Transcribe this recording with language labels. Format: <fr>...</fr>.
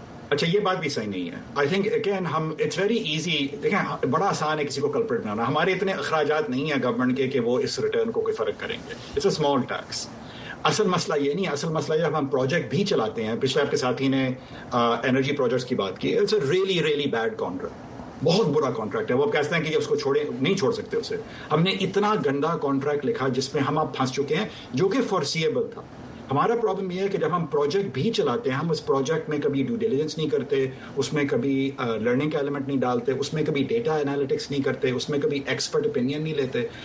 <ur>اچھا یہ بات بھی صحیح نہیں ہے.</ur> <en>I think again ہم it's very easy,</en> <ur>دیکھیں بڑا آسان ہے کسی کو کلپرٹ بنانا. ہمارے اتنے اخراجات نہیں ہیں گورنمنٹ کے کہ وہ اس ریٹرن کو کوئی فرق کریں گے.</ur> <en>It's a small tax.</en> <ur>اصل مسئلہ یہ نہیں ہے. اصل مسئلہ یہ ہم پروجیکٹ بھی چلاتے ہیں. پچھلے آپ کے ساتھی نے انرجی پروجیکٹس کی بات کی.</ur> <en>It's a really really bad contract.</en> <ur>بہت برا کانٹریکٹ ہے. وہ کہتے ہیں کہ اس کو چھوڑیں, نہیں چھوڑ سکتے اسے. ہم نے اتنا گندا کانٹریکٹ لکھا جس میں ہم آپ پھنس چکے ہیں, جو کہ فورسیبل تھا. ہمارا پرابلم یہ ہے کہ جب ہم پروجیکٹ بھی چلاتے ہیں, ہم اس پروجیکٹ میں کبھی ڈیو ڈیلیجنس نہیں کرتے, اس میں کبھی لرننگ کا ایلیمنٹ نہیں ڈالتے, اس میں کبھی ڈیٹا انالیٹکس نہیں کرتے, اس میں کبھی ایکسپرٹ اپینین نہیں لیتے.</ur>